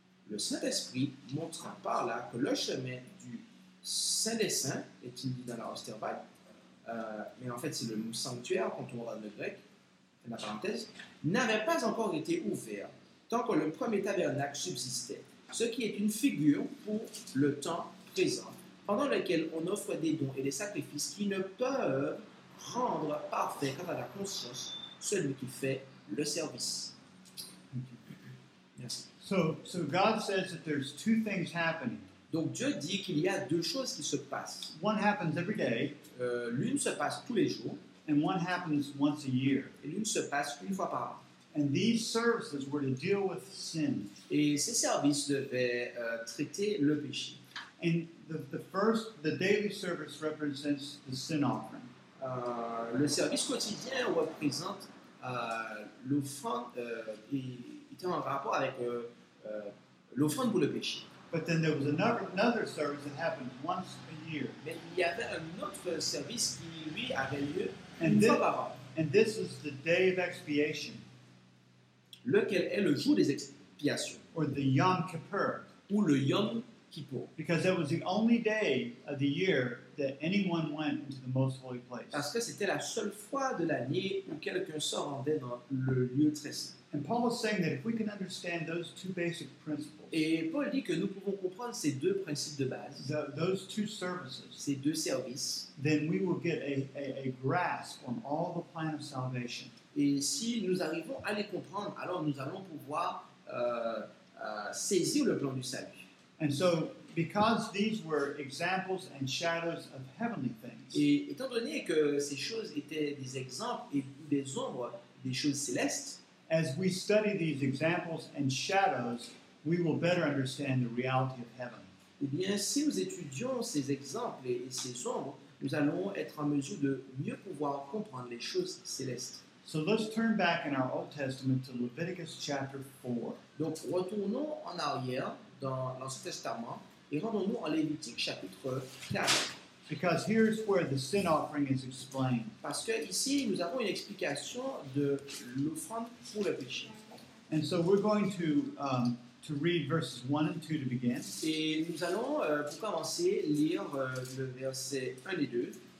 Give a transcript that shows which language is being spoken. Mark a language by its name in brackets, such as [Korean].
[French] Le Saint-Esprit montra par là que le chemin du Saint des Saints, est-il dit dans la Osterweil, mais en fait c'est le mot sanctuaire quand on parle de grec, la parenthèse, n'avait pas encore été ouvert tant que le premier tabernacle subsistait, ce qui est une figure pour le temps présent, pendant lequel on offre des dons et des sacrifices qui ne peuvent rendre parfait quant à la conscience celui qui fait le service. Merci. [English] So God says that there's two things happening. [French] Donc Dieu dit qu'il y a deux choses qui se passent. [English] One happens every day. [French] L'une se passe tous les jours. [English] And one happens once a year. [French] Et l'une se passe une fois par an. [English] And these services were to deal with sin. [French] Et ces services devaient traiter le péché. [English] And the daily service represents the sin offering. [French] Le service quotidien représente l'offrande, était en rapport avec l'offrande pour le péché. [English] But then there was another service that happened once a year. [French] Mais il y avait un autre service qui lui avait lieu une fois par an. [English] And this is the day of expiation. [French] Lequel est le jour des expiations? [English] Or the Yom Kippur. [French] Ou le Yom Kippur. [English] Because that was the only day of the year that anyone went into the most holy place. [French] Parce que c'était la seule fois de l'année où quelqu'un se rendait dans le lieu très saint. [English] And Paul is saying that if we can understand those two basic principles, [French] et Paul dit que nous pouvons comprendre ces deux principes de base, [English] those two services, [French] ces deux services, [English] then we will get a grasp on all the plan of salvation. [French] Et si nous arrivons à les comprendre, alors nous allons pouvoir saisir le plan du salut. [English] And so, because these were examples and shadows of heavenly things, [French] et étant donné que ces choses étaient des exemples et des ombres des choses célestes, [English] as we study these examples and shadows, we will better understand the reality of heaven. [French] Eh bien, si nous étudions ces exemples et ces ombres, nous allons être en mesure de mieux pouvoir comprendre les choses célestes. [English] So let's turn back in our Old Testament to Leviticus chapter 4. [French] Donc, retournons en arrière dans l'Ancien Testament et rendons-nous en Lévitique chapitre 4. [English] Because here's where the sin offering is explained. [French] Parce que ici nous avons une explication de l'offrande pour le péché. [English] And so we're going to read verses 1 and 2 to begin. [French] Et nous allons pour commencer lire le verset 1 et 2.